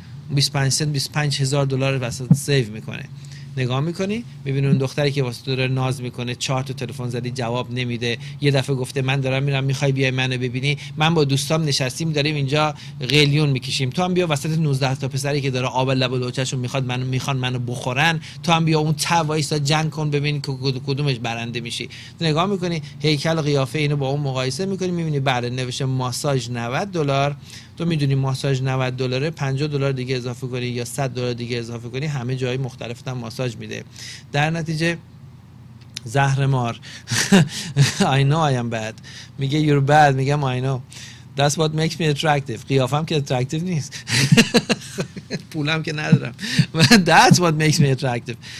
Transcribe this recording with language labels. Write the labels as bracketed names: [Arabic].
[Persian] 25 سنت 25000 دلار وسط سیو میکنه. نگاه میکنی میبینی اون دختری که واسه تو داره ناز میکنه، 4 تا تلفن زدی جواب نمیده، یه دفعه گفته من دارم میرم، میخوای بیای منو ببینی؟ من با دوستام نشستیم داریم اینجا قلیون میکشیم، تو هم بیا وسط 19 تا پسری که داره آب لب لوچاشو میخواد منو میخوان منو بخورن، تو هم بیا اون تو وایسا جنگ کن ببین کدومش برنده میشی. نگاه میکنی هیکل قیافه اینو با اون مقایسه میکنی، میبینی بله نوشته ماساژ 90 دلار. تو میدونی ماساژ 90 دلاره، 50 دلار دیگه اضافه کنی یا 100 دلار دیگه اضافه کنی همه جای مختلف تام ماساژ میده. در نتیجه زهر مار [English] I know I am bad، [Persian] میگه [English] you're bad، [Persian] میگم [English] I know، that's what makes me attractive. [Persian] قیافم که attractive نیست، پولم که ندارم، [English] that's what makes me attractive.